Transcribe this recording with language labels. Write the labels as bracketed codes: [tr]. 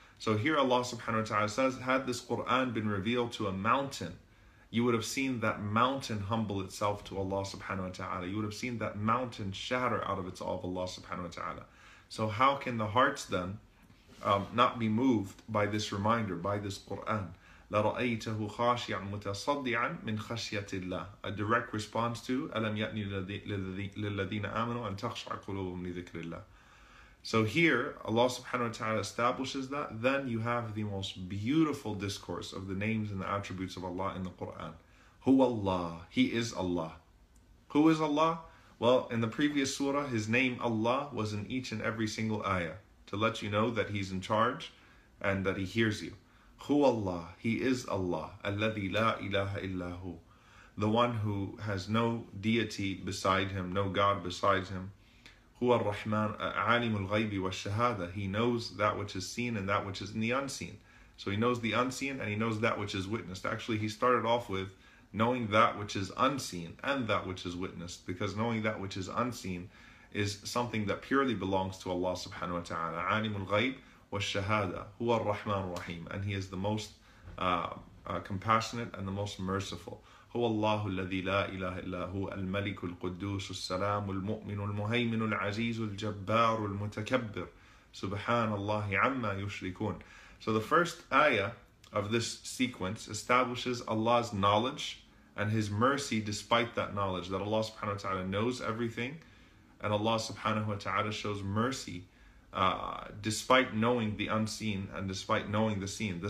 [en] So here Allah subhanahu wa ta'ala says, had this Qur'an been revealed to a mountain, you would have seen that mountain humble itself to Allah subhanahu wa ta'ala. You would have seen that mountain shatter out of its awe of Allah subhanahu wa ta'ala. So how can the hearts then not be moved by this reminder, by this Qur'an? [ar] لَرَأَيْتَهُ خَاشِعًا مُتَصَدِّعًا مِنْ خَشْيَةِ اللَّهِ. [en] A direct response to [ar] أَلَمْ يَأْنِي لِلَّذِينَ آمَنُوا أَنْ تَخْشَعَ قُلُوبُهُمْ لِذِكْرِ اللَّهِ. [en] So here, Allah subhanahu wa ta'ala establishes that, then you have the most beautiful discourse of the names and the attributes of Allah in the Qur'an. [ar] Hu Allah, [en] He is Allah. Who is Allah? Well, in the previous surah, His name Allah was in each and every single ayah to let you know that He's in charge and that He hears you. [ar] Hu Allah, [en] He is Allah. [ar] Alladhi la ilaha illa hu. [en] The one who has no deity beside Him, no God besides Him. [ar] Hu ar-Rahman, alimul ghaybi wa shahada. [en] He knows that which is seen and that which is in the unseen. So He knows the unseen and He knows that which is witnessed. Actually, He started off with knowing that which is unseen and that which is witnessed, because knowing that which is unseen is something that purely belongs to Allah subhanahu wa ta'ala. [ar] Alimul ghayb wa shahada, hu ar-Rahman rahim. [en] And He is the most compassionate and the most merciful. [ar] هو الله الذي لا إله إلا هو الملك القدوس السلام المؤمن المهيمن العزيز الجبار المتكبر سبحان الله عما يشركون. [en] So the first ayah of this sequence establishes Allah's knowledge and His mercy despite that knowledge, that Allah subhanahu wa ta'ala knows everything and Allah subhanahu wa ta'ala shows mercy despite knowing the unseen and despite knowing the seen.